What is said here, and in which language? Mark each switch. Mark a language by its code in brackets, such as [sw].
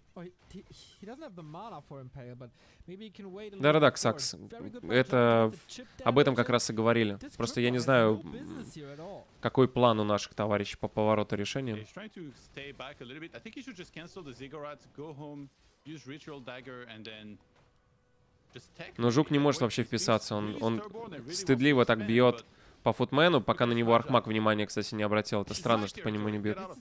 [en] Or he doesn't have the mana for Impale, but maybe he can wait a little... [ru] Да-да-да, Ксакс. Это... Об этом как раз и говорили. Просто я не знаю, какой план у наших товарищей по повороту решения. [en] He's trying to stay back a little bit. I think he should just cancel the Ziggurat, go home, use Ritual Dagger, and then... [ru] Но Жук не может вообще вписаться. Он стыдливо так бьет по футмену, пока на него Архмаг внимания, кстати, не обратил. Это странно, что по нему не бьет.